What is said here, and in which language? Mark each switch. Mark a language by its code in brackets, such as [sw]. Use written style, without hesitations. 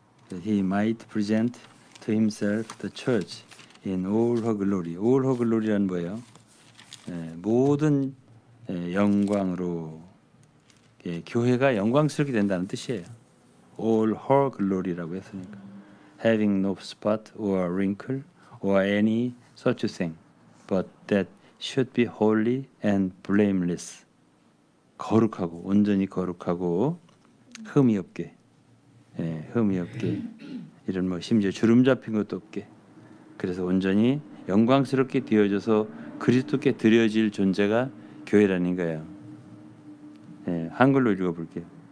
[en] That he might present to himself the church in all her glory. All her glory란 [ko] 뭐예요? 모든 영광으로 교회가 영광스럽게 된다는 뜻이에요. [en] All her glory라고 [ko] 했으니까. [en] Having no spot or wrinkle or any such thing, but that should be holy and blameless. [ko] 거룩하고 온전히 거룩하고 흠이 없게, 흠이 없게 이런 뭐 심지어 주름 잡힌 것도 없게. 그래서 온전히 영광스럽게 되어져서 그리스도께 드려질 존재가 교회라는 거예요. 한글로 읽어볼게요.